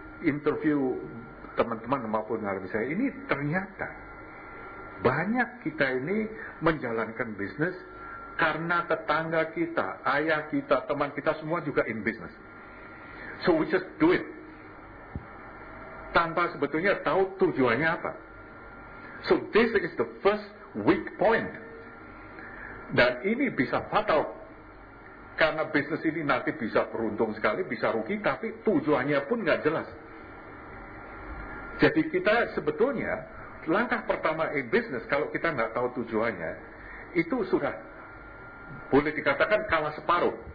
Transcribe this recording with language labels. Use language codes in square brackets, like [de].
[id] interview teman-teman maupun narasumber saya ini, ternyata banyak kita ini menjalankan bisnis karena tetangga kita, ayah kita, teman kita semua juga [en] in business. So we just do it. [id] Tanpa sebetulnya tahu tujuannya apa. [en] So this is the first weak point. [id] Dan ini bisa fatal. Karena bisnis ini nanti bisa beruntung sekali, bisa rugi, tapi tujuannya pun gak jelas. Jadi kita sebetulnya, langkah pertama [en] in business, [id] kalau kita gak tahu tujuannya, itu sudah boleh dikatakan kalah separuh.